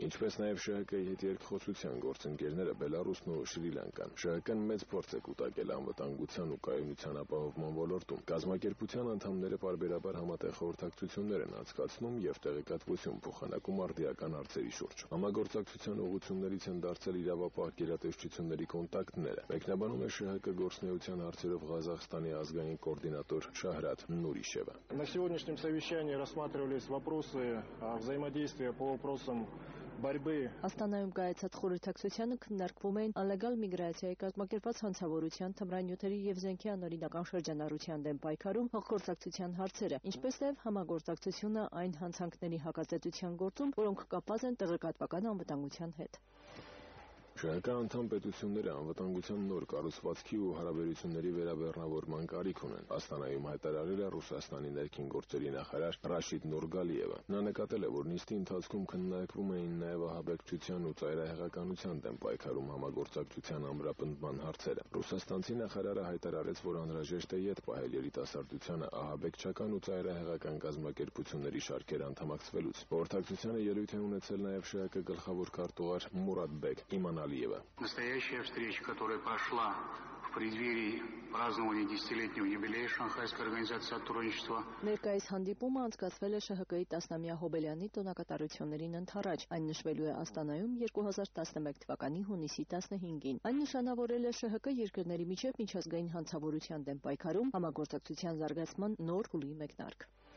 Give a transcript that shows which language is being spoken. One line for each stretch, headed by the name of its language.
Armenian: ինչպես նաեւ ՇՀԿ-ի հետ երկխոսության գործընկերները Բելարուսն ու Շրի Լանկան։ ՇՀԿ-ն մեծ փորձ է կուտակել անվտանգության ու կայունության ապահովման ոլորտում։ Կազմակերպության անդամները պարբերաբար համատեղ խորհրդակցություններ են անցկացնում եւ տեղեկատվություն փոխանակում արդիական հարցերի շուրջ։ Համագործակցության ուղղություններից են դարձել իրավապահ գերատեսչությունների կոնտակտները։ Մեկնաբանում է ՇՀԿ գործնեության հարցերով Ղազախստանի ազգային կոորդինատոր Շահրատ Նուրիշևը։
Russian: На сегодняшнем совещании рассматривались вопросы взаимодействия по вопросам борьбы.
Armenian: Աստանայում կայացած խորհրդակցությունը քննարկվում էին
English: illegal migration-
Armenian: ի կազմակերպած հանցավորության, թմրանյութերի եւ զենքի անօրինական շրջանառության դեմ պայքարում հողկործակցության հարցերը, ինչպես նաեւ համագործակցությունը այն հանցանքների հակազդեցության գործում, որոնք կապված են տեղեկատվական անվտանգության հետ։ ՇՀԿ-ն անդամ պետությունները անվտանգության նոր կառուցվածքի ու հարաբերությունների վերաբերնավորման կարիք ունեն, Աստանայում հայտարարել է Ռուսաստանի ներքին գործերի նախարար Ռաշիդ Նուրգալիևը։ Նա նկատել է, որ նիստի ընթացքում քննարկվում էին նաև ահաբեկչության ու ծայրահեղականության դեմ պայքարում համագործակցության ամրապնդման հարցերը։ Ռուսաստանցի նախարարը հայտարարեց, որ անհրաժեշտ է ետ պահել երիտասարդությանը ահաբեկչական ու ծայրահեղական կազմակերպությունների շարքեր անդամակցվելուց։ Խորհրդակցությունը ելույթ է ունեցել նաև ՇՀԿ-ի գլխավոր քարտուղար Մուրադ Բեկ Իմանալիևը.
Russian: Настоящая встреча, которая прошла в преддверии празднования 10-летнего юбилея Шанхайской организации сотрудничества.
Armenian: Ներկայիս հանդիպումը անցկացվել է ՇՀԿ-ի 10-ամյա հոբելյանի տոնակատարություններին ընդառաջ, այն նշվելու է Աստանայում 2011 թվականի հունիսի 15-ին։ Այն նշանավորել է ՇՀԿ երկրների միջև միջազգային հանցավորության դեմ պայքարում համագործակցության զարգացման նոր ուղի մեկնարկ։